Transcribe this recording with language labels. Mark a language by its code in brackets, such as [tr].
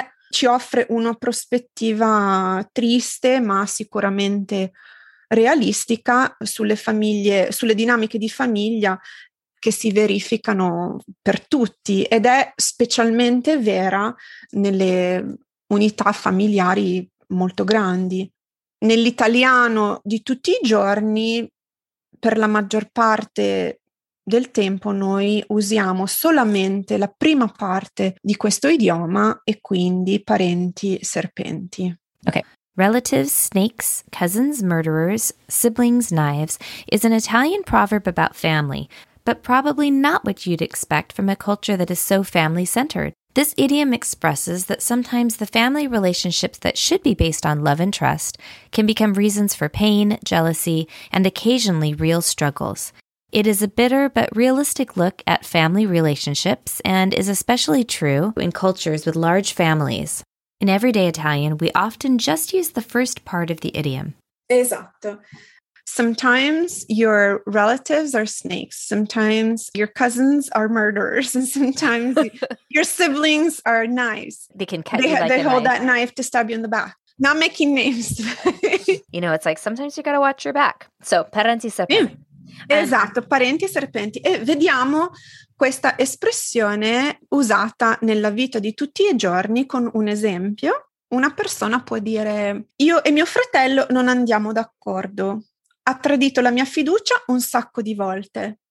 [it] Ci offre una prospettiva triste, ma sicuramente realistica, sulle famiglie, sulle dinamiche di famiglia che si verificano per tutti ed è specialmente vera nelle unità familiari molto grandi. Nell'italiano di tutti i giorni, per la maggior parte del tempo noi usiamo solamente la prima parte di questo idioma e quindi parenti serpenti. Ok. [en] Relatives, snakes, cousins, murderers, siblings, knives is an Italian proverb about family, but probably not what you'd expect from a culture that is so family-centered. This idiom expresses that sometimes the family relationships that should be based on love and trust can become reasons for pain, jealousy, and occasionally real struggles. It is a bitter but realistic look at family relationships and is especially true in cultures with large families. In everyday Italian, we often just use the first part of the idiom. [it] Esatto. [en] Sometimes your relatives are snakes. Sometimes your cousins are murderers. And sometimes your siblings are knives. They can cut you like a knife. They hold that knife to stab you in the back. Not making names. You know, it's like sometimes you got to watch your back. [it] So, parenti serpenti. Esatto, parenti serpenti. E vediamo questa espressione usata nella vita di tutti i giorni con un esempio. Una persona può dire, io e mio fratello non andiamo d'accordo. Ha tradito la mia fiducia un sacco di volte.